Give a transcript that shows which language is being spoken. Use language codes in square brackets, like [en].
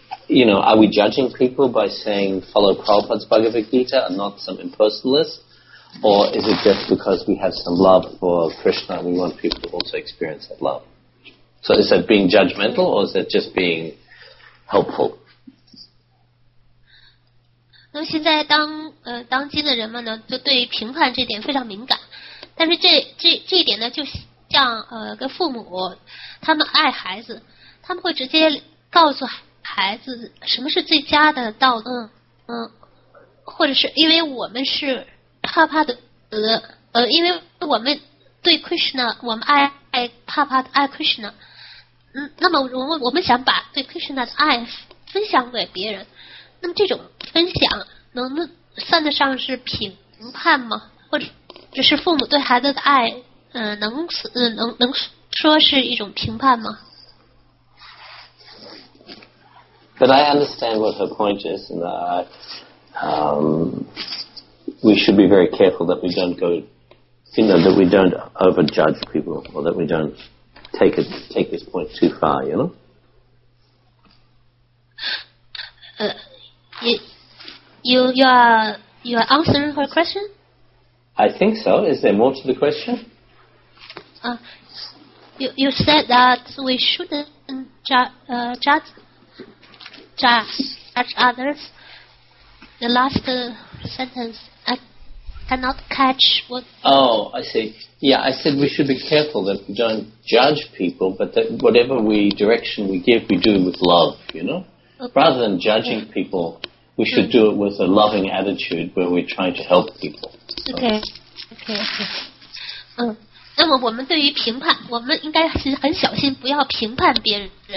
[en] You know, are we judging people by saying follow Prabhupada's Bhagavad Gita and not some impersonalist? Or is it just because we have some love for Krishna and we want people to also experience that love? So is that being judgmental or is that just being helpful? [zh] 那现在当今的人们呢就对评判这点非常敏感。但是这一点呢就像跟父母他们爱孩子他们会直接告诉孩子什么是最佳的道路或者是因为我们是帕帕的因为我们对 Krishna 我们爱帕帕的爱 Krishna 那么我们想把对 Krishna 的爱分享给别人那么这种分享能算得上是评判吗或者是父母对孩子的爱能说是一种评判吗 [en] But I understand what her point is, and we should be very careful that we don't go, you know, that we don't overjudge people, or that we don't take this point too far, you know? You are answering her question? I think so. Is there more to the question? You said that we shouldn't judge others. The last sentence, I cannot catch what... Oh, I see. Yeah, I said we should be careful that we don't judge people, but that whatever direction we give, we do it with love, you know? Okay. Rather than judging people, we should do it with a loving attitude where we're trying to help people. Okay. [zh] 那么我们对于评判，我们应该是很小心不要评判别人。